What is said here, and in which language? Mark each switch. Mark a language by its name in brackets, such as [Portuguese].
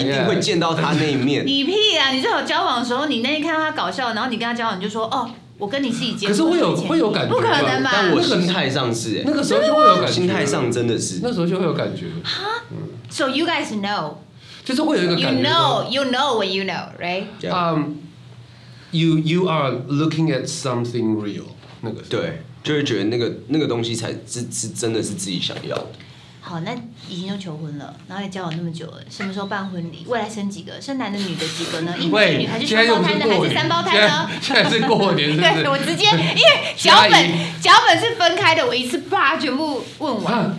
[Chinese] 一定会见到他那一面。你屁啊！你最好交往的时候，你那天看到他搞笑，然后你跟他交往，你就说哦。我跟你是以结婚，可是会有感觉，不可能吧？但我心态上是、欸，那个时候就会有感觉，心态上真的是，那时候就会有感觉。 [English] 哈 ，So you guys know， [Chinese] 就是会有一个感觉。 [English] You know when you know, right? You are looking at something real， 那个 [Chinese] 对，就会觉得那个东西才是真的是自己想要的。好，那已经就求婚了，然后也交往那么久了，什么时候办婚礼？未来生几个？生男的女的几个呢？一男一女还是双胞胎呢？还是三胞胎呢？现在是过年是不是？对，我直接因为脚本是分开的，我一次啪全部问完。啊，